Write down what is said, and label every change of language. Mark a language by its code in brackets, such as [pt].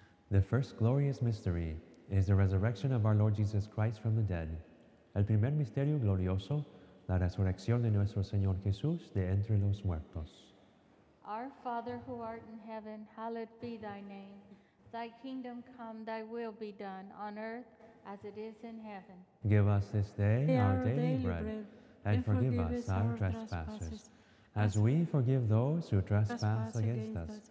[en] The first glorious mystery is the resurrection of our Lord Jesus Christ from the dead. [es] El primer misterio glorioso, la resurrección de nuestro Señor Jesús de entre los muertos. [en] Our Father who art in heaven, hallowed be thy name. Thy kingdom come, thy will be done on earth as it is in heaven. Give us this day our daily bread, and forgive us our trespasses, as we forgive those who trespass against us.